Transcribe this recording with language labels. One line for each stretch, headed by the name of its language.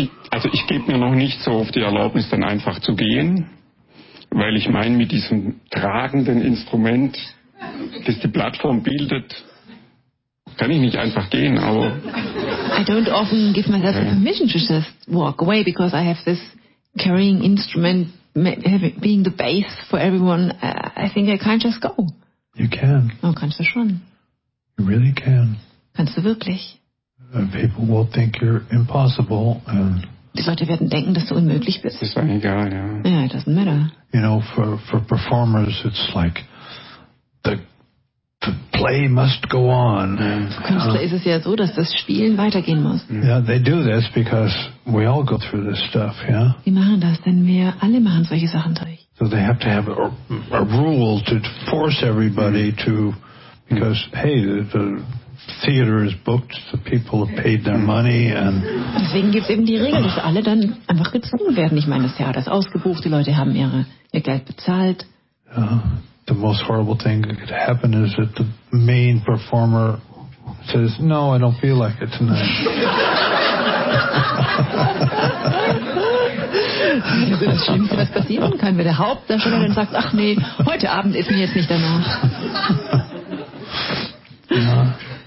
German: Also ich gebe mir noch nicht so oft die Erlaubnis, dann einfach zu gehen, weil ich meine, mit diesem tragenden Instrument, das die Plattform bildet, kann ich nicht einfach gehen, aber.
English: I don't often give myself the permission to just walk away because I have this carrying instrument being the base for everyone. I think I can't just go. You can.
German: Oh, kannst du schon.
English: You really can.
German: Kannst du wirklich.
English: People will think you're impossible. And
German: die Leute werden denken, dass du unmöglich bist. Ist eigentlich egal, ja.
English: Yeah, it doesn't matter. You know, for performers, it's like the play must go on.
German: Für Künstler ist es ja so, dass das Spielen weitergehen muss.
English: Yeah, they do this because we all go through this stuff, yeah?
German: Die machen das, denn wir alle machen solche Sachen durch.
English: So they have to have a rule to force everybody to, because, hey, the theater is booked, the people have paid their money, and
German: deswegen gibt es eben die Regel, dass alle dann einfach gezwungen werden. Ich meine, das Theater ist ausgebucht, die Leute haben ihr Geld bezahlt. Ja.
English: The most horrible thing that could happen is that the main performer says, no, I don't feel like it tonight.
German: Das Schlimmste, was passieren kann, wenn der Hauptdarsteller dann sagt, ach nee, heute Abend ist mir jetzt nicht danach.